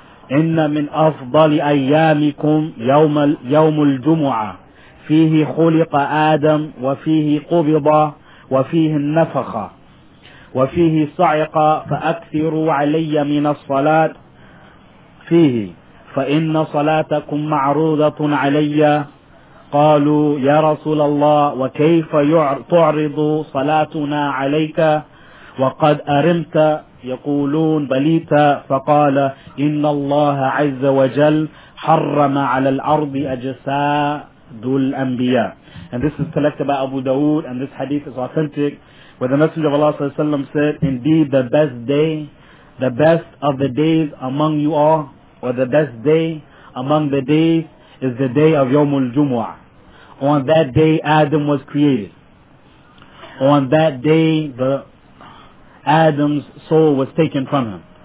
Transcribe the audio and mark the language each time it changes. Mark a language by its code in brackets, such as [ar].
[ar] إِنَّ مِنْ أَفْضَلِ أَيَّامِكُمْ يَوْمُ الْجُمُعَةِ فِيهِ خُلِقَ آدَمْ وَفِيهِ قُبِضَ وَفِيهِ النَّفَخَ وَفِيهِ صَعِقَ فَأَكْثِرُوا عَلَيَّ مِنَ الصَّلَاةِ فِيهِ فَإِنَّ صَلَاتَكُمْ مَعْرُوضَةٌ عَلَيَّ. قَالُوا يَا رَسُولَ اللَّهِ وَكَيْفَ تُعْرِضُ صَلَاتُنَا عَلَيْكَ وَقَدْ أَرِمْتَ يقولون بليتا. فقال إن الله عز وجل حرم على الأرض أجساد الأنبياء. [en] And this is collected by Abu Dawood, and this hadith is authentic, where the Messenger of Allah صلى الله عليه وسلم said, indeed the best day, the best of the days among you all, or the best day among the days, is the day of يوم الجمعة. On that day Adam was created. On that day Adam's soul was taken from him.